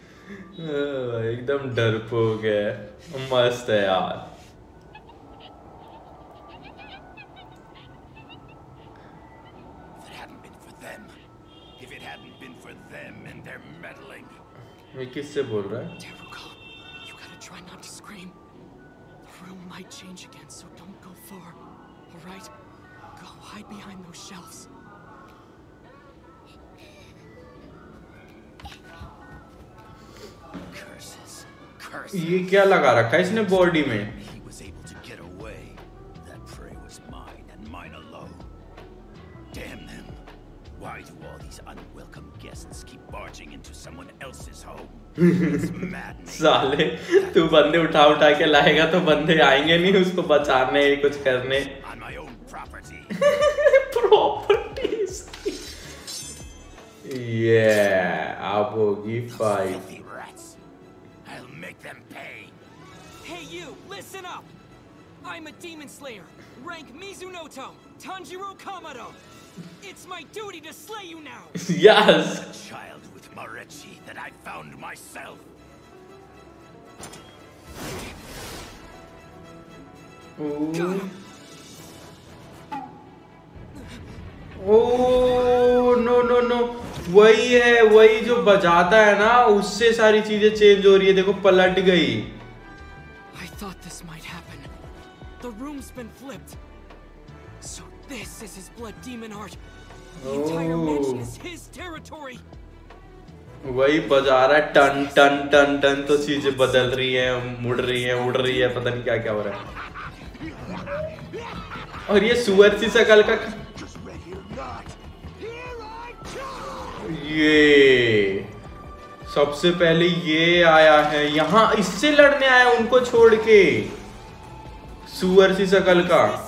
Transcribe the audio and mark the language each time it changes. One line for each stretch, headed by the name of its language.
Hindi: एकदम डरपोक है, मस्त है यार.
English: If it hadn't been for them, if it hadn't been for them and their meddling.
Hindi: मैं किससे बोल रहा है?
English: Might change again, so don't go far. All right, go hide behind those shelves. Curses, curses.
Hindi: ये क्या लगा रखा है इसने बॉडी में?
English: He was able to get away. That prey was mine and mine alone. Damn them. Why do all these unwelcome guests keep barging into someone else's home?
Hindi: साले तू बंदे उठा उठा के लाएगा तो बंदे आएंगे नहीं उसको बचाने या कुछ करने. प्रॉपर्टीज ये अब होगी fight.
English: I'll make them pay. Hey you, listen up. I'm a demon slayer, rank Mizunoto, Tanjiro Kamado. It's my duty to slay you now. Yes. Marechi that I found myself. Oh no.
Hindi: वही है वही जो बजाता है ना उससे सारी चीजें चेंज हो रही है. देखो पलट गई.
English: I thought this might happen. The room's been flipped. So this is his blood demon art. The entire mansion is his territory.
Hindi: वही बजा रहा है टन टन टन टन तो चीजें बदल रही हैं, मुड़ रही हैं, उड़ रही है, पता नहीं क्या क्या हो रहा है. और ये सुअर सी शक्ल का ये सबसे पहले ये आया है यहाँ इससे लड़ने आया उनको छोड़ के सुअर सी शक्ल का.